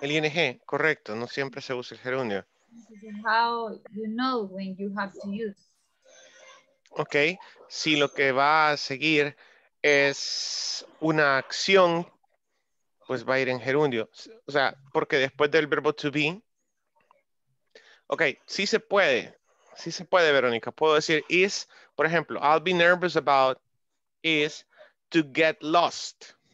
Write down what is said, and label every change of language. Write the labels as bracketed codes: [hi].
[es] El ING, correcto, no siempre se usa el gerundio. [en] How you know when you have to use. [es] Ok, si lo que va a seguir es una acción, pues va a ir en gerundio. O sea, porque después del verbo to be. Ok, sí se puede, Verónica. Puedo decir is, por ejemplo, [en] I'll be nervous about is to get lost.